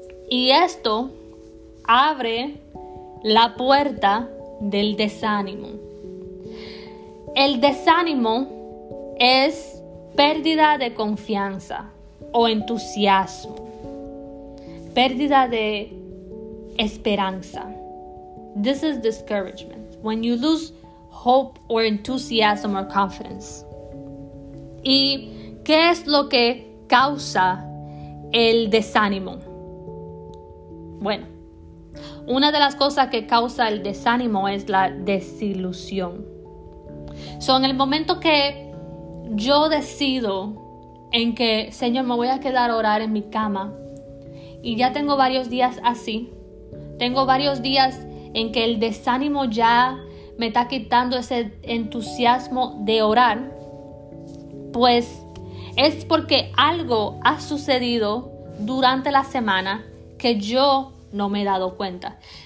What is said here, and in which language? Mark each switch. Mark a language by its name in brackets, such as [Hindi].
[Spanish] Y esto abre la puerta del desánimo. El desánimo es pérdida de confianza o entusiasmo, pérdida de esperanza. [English] This is discouragement, when you lose hope or enthusiasm or confidence. [Spanish] ¿Y qué es lo que causa el desánimo? Bueno, una de las cosas que causa el desánimo es la desilusión. So, en el momento que yo decido en que, Señor, me voy a quedar a orar en mi cama, y ya tengo varios días así, tengo varios días en que el desánimo ya me está quitando ese entusiasmo de orar, pues es porque algo ha sucedido durante la semana que yo no me he dado cuenta.